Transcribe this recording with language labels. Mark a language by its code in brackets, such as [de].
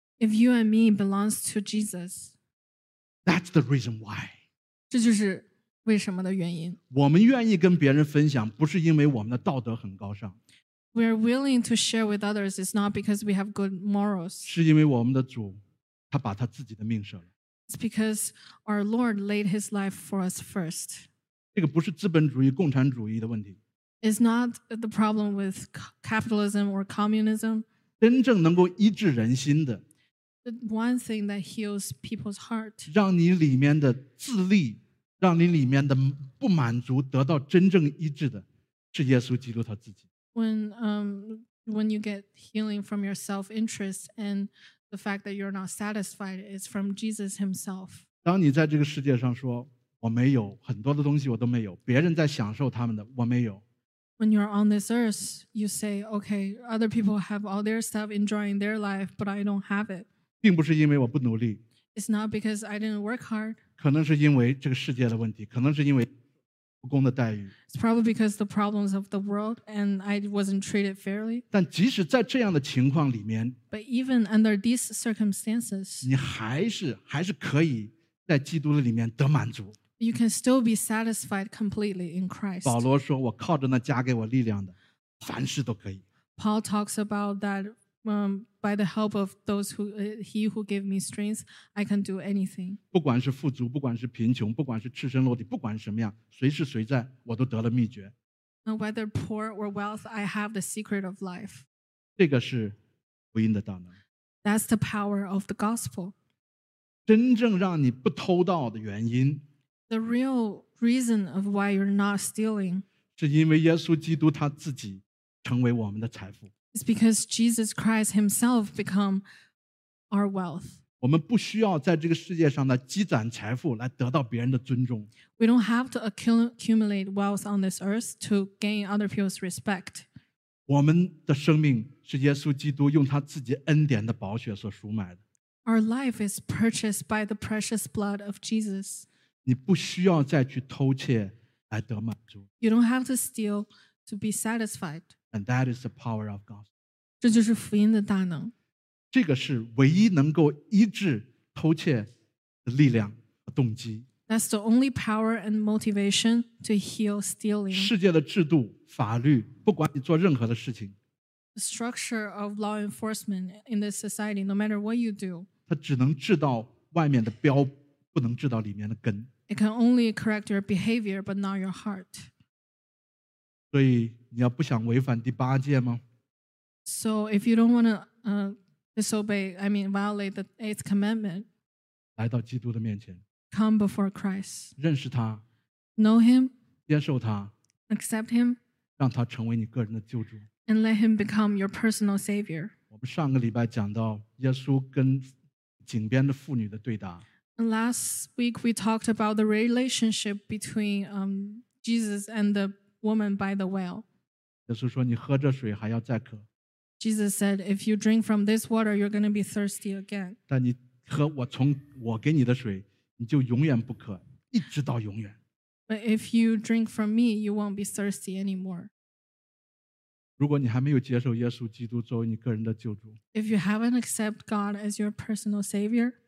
[en] If you and me belongs to Jesus. That's the reason why. [zh] 这就是为什么的原因？我们愿意跟别人分享，不是因为我们的道德很高尚。 [en] We are willing to share with others. It's not because we have good morals. [zh] 是因为我们的主，他把他自己的命舍了。 [en] It's because our Lord laid his life for us first. [zh] 这个不是资本主义、共产主义的问题。 [en] It's not the problem with capitalism or communism. [zh] 真正能够医治人心的。 [en] The one thing that heals people's heart. [zh] 让你里面的自立，让你里面的不满足得到真正医治的，是耶稣基督他自己。 [en] When you get healing from your self-interest and the fact that you're not satisfied is from Jesus himself. [zh] 当你在这个世界上说，我没有，很多的东西我都没有，别人在享受他们的，我没有。 [en] When you're on this earth, you say, okay, other people have all their stuff enjoying their life, but I don't have it. [zh] 并不是因为我不努力。 [en] It's not because I didn't work hard. [zh] 可能是因为这个世界的问题，可能是因为不公的待遇。 [en] It's probably because the problems of the world and I wasn't treated fairly. [zh] 但即使在这样的情况里面， [en] But even under these circumstances, [zh] 你还是可以在基督的里面得满足。 [en] You can still be satisfied completely in Christ. [zh] 保罗说，我靠着那加给我力量的，凡事都可以。 [en] Paul talks about that, by the help of those who, he who gave me strength, I can do anything. [zh] 不管是富足，不管是贫穷，不管是赤身裸体，不管什么样，随时随在，我都得了秘诀。 [en] And whether poor or wealth, I have the secret of life. [zh] 这个是福音的大能。 [en] That's the power of the gospel. [zh] 真正让你不偷盗的原因， [en] The real reason of why you're not stealing [zh] 是因为耶稣基督他自己成为我们的财富。 [en] It's because Jesus Christ himself become our wealth. [zh] 我们不需要在这个世界上的积攒财富来得到别人的尊重。 [en] We don't have to accumulate wealth on this earth to gain other people's respect. [zh] 我们的生命是耶稣基督用他自己恩典的宝血所赎买的。 [en] Our life is purchased by the precious blood of Jesus. [zh] 你不需要再去偷窃来得满足。 [en] You don't have to steal to be satisfied. And that is the power of God. [zh] 这就是福音的大能。这个是唯一能够医治偷窃的力量和动机。 [en] That's the only power and motivation to heal stealing. [zh] 世界的制度、法律，不管你做任何的事情。 [en] The structure of law enforcement in this society, no matter what you do. [zh] 它只能治到外面的标本。不能治到里面的根。 [en] It can only correct your behavior, but not your heart. [zh] 所以你要不想违反第八诫吗？ [en] So if you don't want to disobey, I mean violate the eighth commandment, [zh] 来到基督的面前。 [en] Come before Christ. [zh] 认识他。 [en] Know him. [zh] 接受他。 [en] Accept him. [zh] 让他成为你个人的救主。 [en] And let him become your personal savior. [zh] 我们上个礼拜讲到耶稣跟井边的妇女的对答。 [en] Last week we talked about the relationship between Jesus and the woman by the well. [zh] 耶稣说你喝这水还要再渴。 [en] Jesus said, if you drink from this water, you're going to be thirsty again. [zh] 但你喝我给你的水，你就永远不渴，一直到永远。 [en] But if you drink from me, you won't be thirsty anymore. [zh] 如果你还没有接受耶稣基督作为你个人的救主， [en] If you haven't accepted God as your personal savior,